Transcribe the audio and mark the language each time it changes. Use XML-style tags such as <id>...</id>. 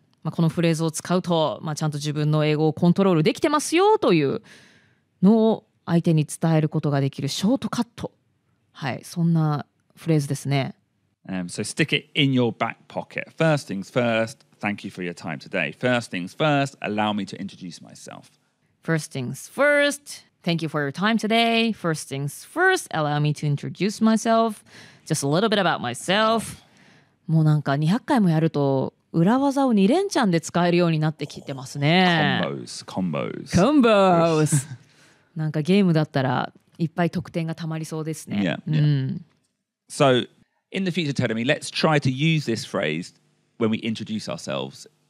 <ja>まあ、このフレーズを使うと、まあ、ちゃんと自分の英語をコントロールできてますよというのを相手に伝えることができるショートカット、はい、そんなフレーズですね。</ja> <en>So stick it in your back pocket. First things first, thank you for your time today. First things first, allow me to introduce myself. First things first, thank you for your time today. First things first, allow me to introduce myself. Just a little bit about myself.</en> <ja>もうなんか200回もやると裏技を2連チャンで使えるようになってきてますね。</ja> <en>Combos</en> <ja>なんかゲームだったらいっぱい得点がたまりそうですね。</ja> <en>yeah, yeah.、うん、 So in the future, Terumi, let's try to use this phrase when we introduce ourselves.</en>